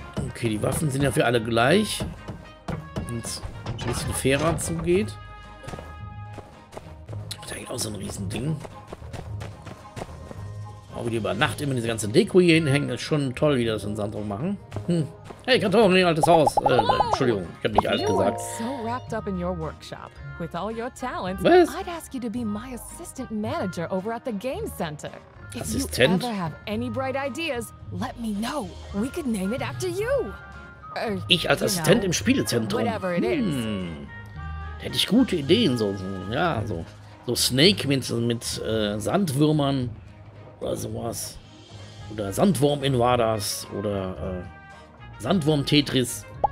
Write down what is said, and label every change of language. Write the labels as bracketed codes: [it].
[de] Okay, die Waffen sind ja für alle gleich. Und ein bisschen fairer zugeht. Da geht auch so ein Riesending. Auch wieder über Nacht immer diese ganze Deko hier hinhängen. Das ist schon toll, wie das in Sandrock machen. Hey, Karton, ein altes Haus. Entschuldigung, ich habe nicht alles gesagt. [en] So wrapped up in your workshop. With all your talents, [de] was? [en] I'd ask you to be my assistant manager over at the game center. [de] Assistent? [en] If you ever have any bright ideas, let me know. We could name it after you. [de] Ich als Assistent im Spielezentrum. [en] Whatever it is. [de] Da hätte ich gute Ideen, so Snake mit Sandwürmern oder sowas. Oder Sandwurm-Invaders oder Sandwurm-Tetris.